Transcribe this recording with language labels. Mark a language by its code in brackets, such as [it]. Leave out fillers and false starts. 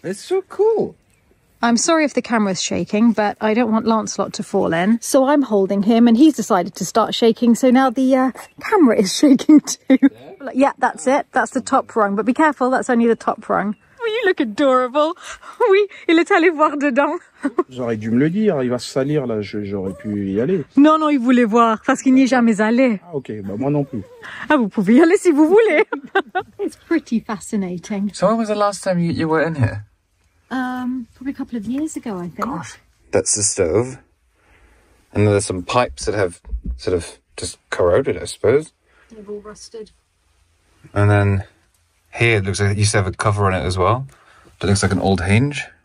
[en] It's so cool. I'm sorry if the camera's shaking, but I don't want Lancelot to fall in. So I'm holding him and he's decided to start shaking. So now the camera is shaking too. Yeah. Yeah, that's it. That's the top rung. But be careful, that's only the top rung. Oh, you look adorable. [fr] Oui, il est allé voir dedans. J'aurais dû me le dire, il va se salir là, j'aurais pu y aller. Non, il voulait voir, parce qu'il n'y est jamais allé. Ah ok, bah moi non plus. Ah, vous pouvez y aller si vous voulez. [en] It's pretty fascinating. So when was the last time you were in here? Probably a couple of years ago, I think. Gosh, that's the stove. And there's some pipes that have sort of just corroded, I suppose. They've all rusted. And then Here, it looks like it used to have a cover on it as well. But it looks like an old hinge.